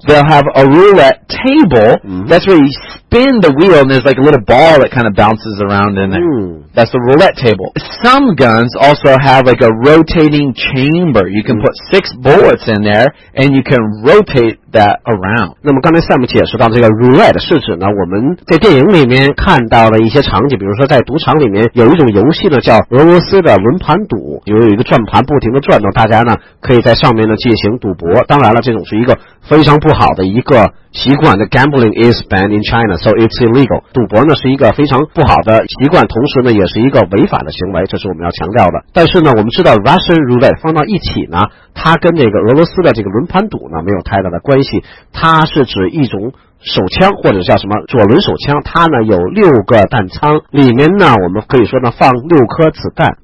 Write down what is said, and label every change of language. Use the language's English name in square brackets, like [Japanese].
[English] they'll have a roulette table, that's where you spin the wheel, and there's like a little ball that kind of bounces around in there. That's the roulette table. Some guns also have like a rotating chamber. You can put six bullets in there, and you can rotate that around. [Chinese] 那么刚才Sam解释到这个 roulette 是指呢，我们在电影里面看到的一些场景，比如说在赌场里面有一种游戏呢，叫俄罗斯的轮盘赌，有一个转盘不停的转动，大家呢可以在上面呢进行赌博。当然了，这种是一个非常不好的一个习惯。 [English] The gambling is banned in China, so it's illegal. [Chinese] 赌博呢是一个非常不好的习惯，同时呢也是一个违法的行为，这是我们要强调的。但是呢，我们知道 Russian roulette 放到一起呢，它跟这个俄罗斯的这个轮盘赌呢没有太大的关系，它是指一种手枪或者叫什么左轮手枪，它呢有六个弹仓，里面呢我们可以说呢放六颗子弹。